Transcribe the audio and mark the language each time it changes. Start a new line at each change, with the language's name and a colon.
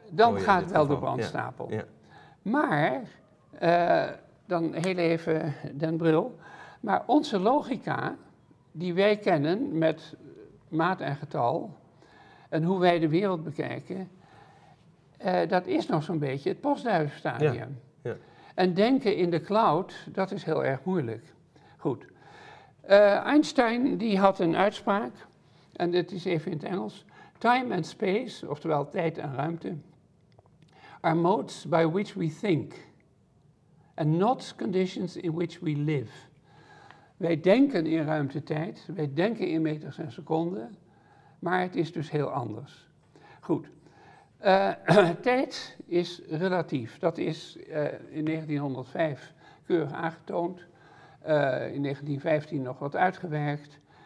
Dutch: Dan gaat wel de brandstapel. Ja. Ja. Maar, dan heel even Den Brill, maar onze logica die wij kennen met maat en getal en hoe wij de wereld bekijken, dat is nog zo'n beetje het postduifstadium. Ja. Ja. En denken in de cloud, dat is heel erg moeilijk. Goed. Einstein die had een uitspraak, en dit is even in het Engels.
English: Time and space,
Dutch: oftewel tijd en ruimte,
English: are modes by which we think, and not conditions in which we live.
Dutch: Wij denken in ruimte-tijd, wij denken in meters en seconden, maar het is dus heel anders. Goed. Tijd is relatief. Dat is in 1905 keurig aangetoond. In 1915 nog wat uitgewerkt.